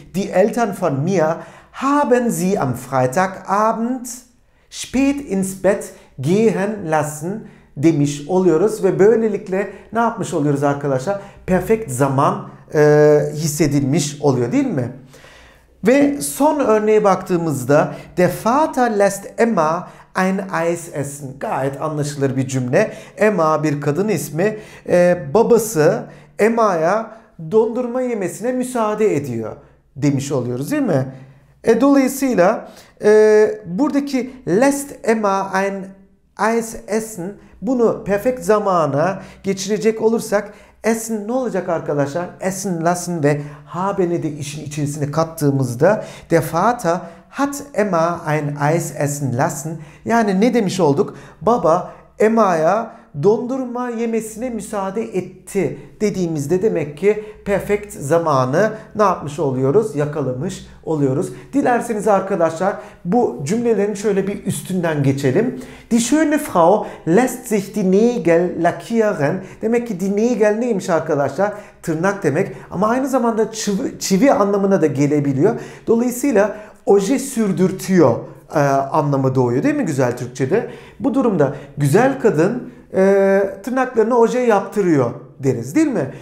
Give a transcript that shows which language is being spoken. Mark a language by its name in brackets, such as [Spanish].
[German] Die Eltern von Mia haben sie am Freitagabend spät ins Bett gehen lassen [Turkish] demiş oluyoruz ve böylelikle ne yapmış oluyoruz arkadaşlar? Perfect zaman hissedilmiş oluyor, değil mi? Ve son örneğe baktığımızda [German] Der Vater lässt Emma ein Eis essen. [Turkish] Gayet anlaşılır bir cümle. Emma bir kadın ismi. Babası Emma'ya dondurma yemesine müsaade ediyor demiş oluyoruz, değil mi? Dolayısıyla buradaki [German] lässt Emma ein Eis essen [Turkish] bunu perfect zamana geçirecek olursak essen ne olacak arkadaşlar? [German] Essen, lassen [Turkish] ve haben'i de işin içerisine kattığımızda [German] Der Vater hat Emma ein Eis essen lassen. [Turkish] Yani ne demiş olduk? Baba Emma'ya dondurma yemesine müsaade etti dediğimizde demek ki perfect zamanı ne yapmış oluyoruz? Yakalamış oluyoruz. Dilerseniz arkadaşlar bu cümlelerin şöyle bir üstünden geçelim. [German] Die schöne Frau lässt sich die Nägel lackieren. [Turkish] Demek ki die Nägel neymiş arkadaşlar? Tırnak demek. Ama aynı zamanda çivi anlamına da gelebiliyor. Dolayısıyla oje sürdürtüyor anlamı doğuyor, değil mi güzel Türkçe'de? Bu durumda güzel kadın tırnaklarını oje yaptırıyor deriz, değil mi?